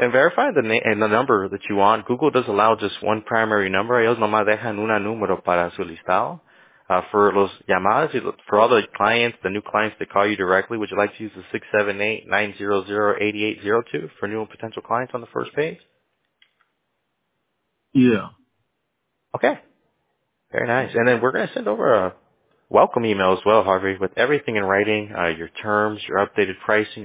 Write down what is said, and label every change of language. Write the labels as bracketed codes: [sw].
[en] And verify the name and the number that you want. Google does allow just one primary number. [es] Ellos nomás dejan un número para su listado. [en] For [es] los llamadas, [en] for all the clients, the new clients that call you directly, would you like to use the 678-900-8802 for new and potential clients on the first page? Yeah. Okay. Very nice. And then we're going to send over a welcome email as well, Harvey, with everything in writing, your terms, your updated pricing.